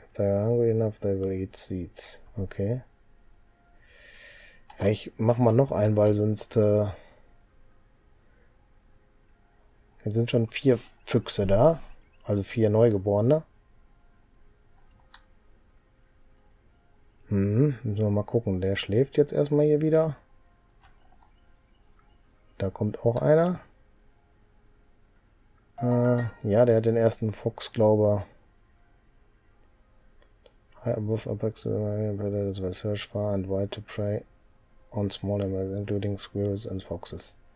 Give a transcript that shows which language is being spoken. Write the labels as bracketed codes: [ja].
[en] If they are hungry enough, they will eat seeds. [de] Okay. Ja, ich mach mal noch einen, weil sonst. Jetzt sind schon vier Füchse da. Also vier Neugeborene. Hm, müssen wir mal gucken. Der schläft jetzt erstmal hier wieder. Da kommt auch einer. Ja, der hat den ersten Fuchs, glaube ich. [en] High above apex predators will search far and wide to prey on small animals, including squirrels and foxes.